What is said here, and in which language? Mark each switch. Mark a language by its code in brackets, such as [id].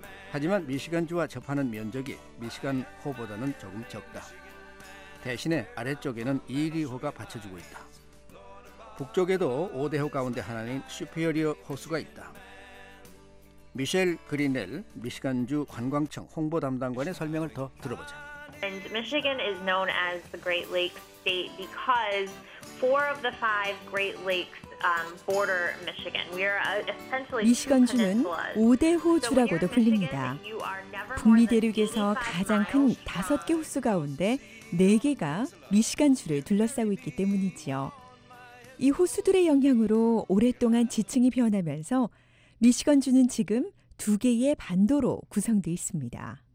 [ko] 하지만 미시간주와 접하는 면적이 미시간 호보다는 조금 적다. 대신에 아래쪽에는 이리 호가 받쳐주고 있다. 북쪽에도 5대 호 가운데 하나인 슈피어리어 호수가 있다. 미셸 그리넬 미시간주 관광청 홍보 담당관의 설명을 더 들어보자. [en] And Michigan is known as the Great Lakes State because four of the five Great Lakes border Michigan. We are essentially [ko] 미시간주는 5대 호주라고도 불립니다. 북미 대륙에서 가장 큰 다섯 개 호수 가운데 네 개가 미시간주를 둘러싸고 있기 때문이지요. 이 호수들의 영향으로 오랫동안 지층이 변하면서 미시간주는 지금 두 개의 반도로 구성되어 있습니다.